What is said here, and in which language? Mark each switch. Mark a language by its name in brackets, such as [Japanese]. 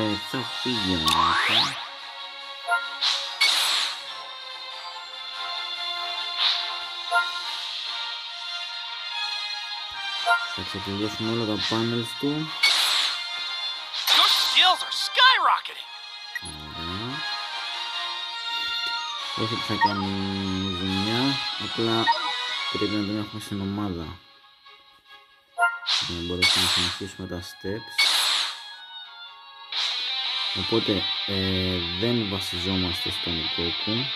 [Greek] Θα φύγει ο Μάκα. Θα ξεκινήσουμε όλα τα πάνελς του. [English] Your skills are skyrocketing. [Greek] Όχι ότι θα κάνει ζημιά, απλά πρέπει να τον έχουμε στην ομάδα. Για να μπορέσουμε να συνεχίσουμε τα steps. Οπότε δεν βασιζόμαστε στον Goku.